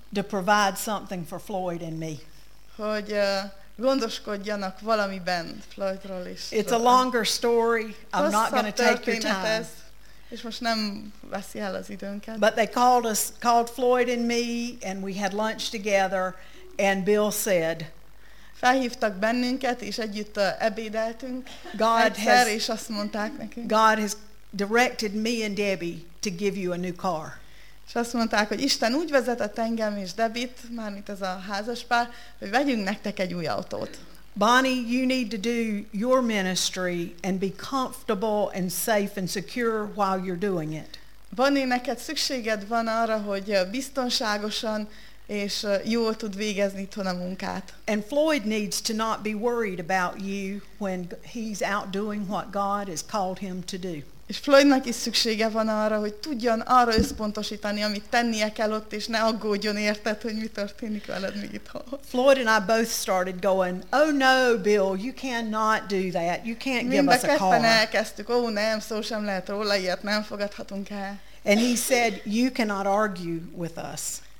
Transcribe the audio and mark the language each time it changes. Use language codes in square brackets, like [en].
[en] to provide something for Floyd and me. [hu] Hogy gondoskodjanak valamiben Floydról is. [en] It's a longer story. I'm not going to take your time. [hu] És most nem veszi el az időnket. [en] But they called Floyd and me, and we had lunch together, and Bill said, [hu] felhívtak bennünket, és együtt ebédeltünk. És azt mondták nekünk. [en] God has directed me and Debbie to give you a new car. [hu] És azt mondták, hogy Isten úgy vezetett engem és Debit, mármint ez a házaspár, hogy vegyünk nektek egy új autót. [en] Bonnie, you need to do your ministry and be comfortable and safe and secure while you're doing it. [hu] Bonnie, neked szükséged van arra, hogy biztonságosan és jól tud végezni itthon a munkát. [en] And Floyd needs to not be worried about you when he's out doing what God has called him to do. [hu] És Floydnak is szüksége van arra, hogy tudjon arra összpontosítani, amit tennie kell ott, és ne aggódjon érted, hogy mi történik veled még itthon. [en] Floyd and I both started going, oh no, Bill, you cannot do that, you can't give us a car. [hu] Mindketten elkezdtük, oh nem, szó sem lehet róla, ilyet nem fogadhatunk el. [en] And he said, you cannot argue with us.